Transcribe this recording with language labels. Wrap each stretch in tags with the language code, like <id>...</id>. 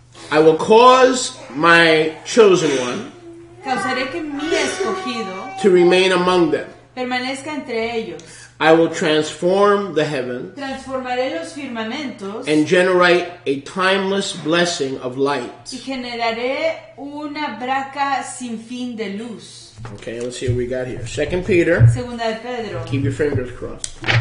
<en>I will cause my chosen one</en> <es>causaré que mi escogido</es> <en>to remain among them.</en> <es>Permanezca entre ellos.</es> <en>I will transform the heavens.</en> <es>Transformaré los firmamentos.</es> <en>And generate a timeless blessing of light.</en> <es>Y generaré una braca sin fin de luz.</es> <en>Okay, let's see what we got here. Second Peter.</en> <es>Segunda de Pedro.</es> <en>Keep your fingers crossed.</en>